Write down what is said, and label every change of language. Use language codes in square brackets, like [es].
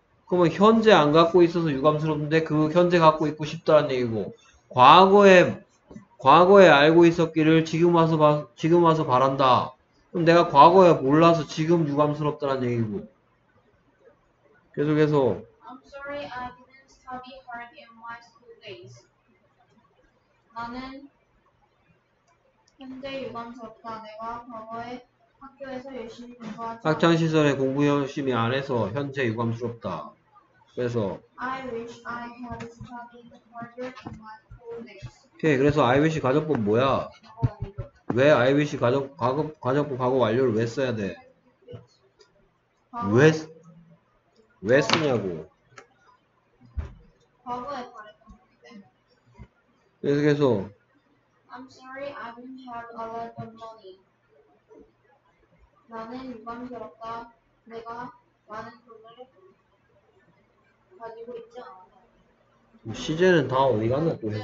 [ko] 그러면 현재 안 갖고 있어서 유감스럽는데 그 현재 갖고 있고 싶다는 얘기고 과거에 알고 있었기를 지금 와서 바란다. 그럼 내가 과거에 몰라서 지금 유감스럽다는 얘기고 계속해서 [en] I'm sorry I didn't study hard in my school days. [ko] 나는 현재 유감스럽다. 내가 과거에 학교에서 열심히 공부하지 학창 시절에 공부 열심히 안 해서 현재 유감스럽다. 그래서 [en] I wish I had studied harder in my school days. [ko] 오케이, 그래서 I wish 가정법 뭐야? 왜 I wish 가정법 과거 완료를 왜 써야 돼? 왜 쓰냐고? 과거에 바랬던 건데. 계속해서 [en] I'm sorry I didn't have a lot of money. [ko] 나는 유감스럽다. 내가 많은 돈을 가지고 있지 않아. 시제는 다 어디 갔나 또 해서.